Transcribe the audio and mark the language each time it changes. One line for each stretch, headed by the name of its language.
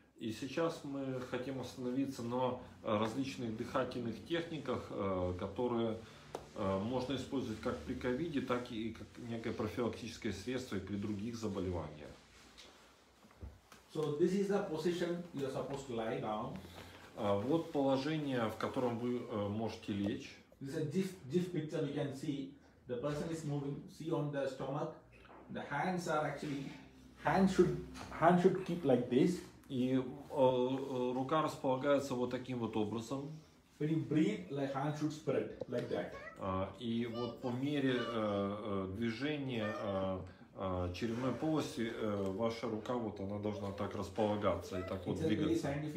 Russian: И сейчас мы хотим остановиться на различных дыхательных техниках, которые можно использовать как при ковиде, так и как некое профилактическое средство и при других заболеваниях.
English: So this is the position you're supposed to lie down.
Russian: Вот положение, в котором вы можете лечь.
English: This is a deep picture you can see. The person is moving. See on the stomach. The hands are actually, hands should keep like this.
Russian: И рука располагается вот таким вот образом.
English: When you breathe, like hand should spread like that.
Russian: И вот по мере движения черепной полости ваша рука вот она должна так располагаться и так вот двигаться.